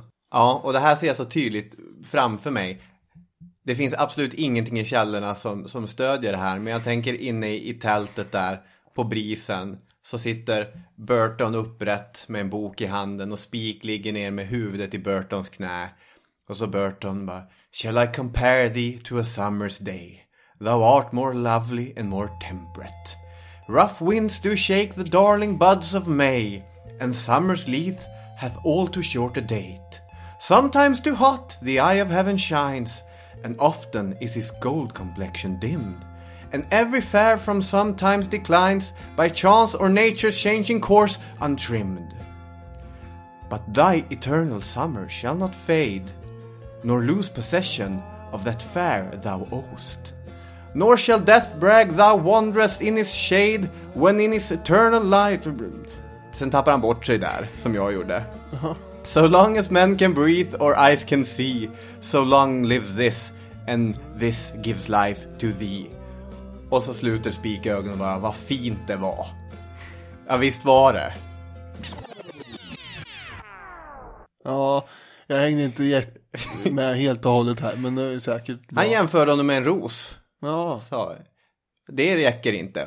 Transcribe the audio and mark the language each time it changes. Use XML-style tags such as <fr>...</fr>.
<sv>Ja, och det här ser jag så tydligt framför mig. Det finns absolut ingenting i källorna som stödjer det här. Men jag tänker inne i tältet där. På brisen så sitter Burton upprätt med en bok i handen och Spik ligger ner med huvudet i Burtons knä. Och så Burton bara,</sv> <en>shall I compare thee to a summer's day? Thou art more lovely and more temperate. Rough winds do shake the darling buds of May, and summer's leaf hath all too short a date. Sometimes too hot the eye of heaven shines, and often is his gold complexion dimmed. And every fair from sometimes declines by chance or nature's changing course untrimmed. But thy eternal summer shall not fade, nor lose possession of that fair thou owest. Nor shall death brag thou wanderest in his shade when in his eternal light...</en> <sv>Sen tappar han bort sig där, som jag gjorde.</sv> <en>So long as men can breathe or eyes can see, so long lives this, and this gives life to thee.</en> <sv>Och så sluter Spik ögonen och bara, vad fint det var. Ja, visst var det. Ja, jag hängde inte med helt och hållet här, men det är säkert bra. Han jämförde honom med en ros. Ja. Så, det räcker inte.</sv>